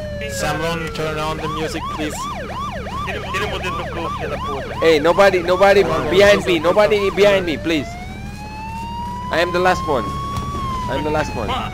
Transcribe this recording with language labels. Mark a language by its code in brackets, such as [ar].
[en] Someone turn on the music, please. [pt] Tira-me o dedo no cu, filha da puta. [en] Hey, nobody behind me, nobody behind me, please. I am the last one. I am the last one.